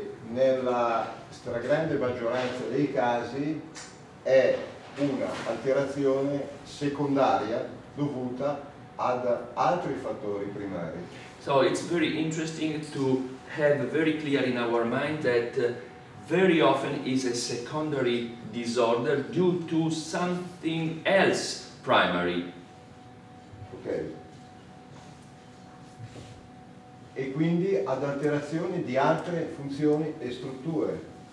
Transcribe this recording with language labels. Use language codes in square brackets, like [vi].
[it] Nella stragrande maggioranza dei casi è una alterazione secondaria dovuta ad altri fattori primari. [en] So it's very interesting to have very clear in our mind that very often is a secondary disorder due to something else primary. Ok. [it] E quindi ad alterazioni di altre funzioni e strutture.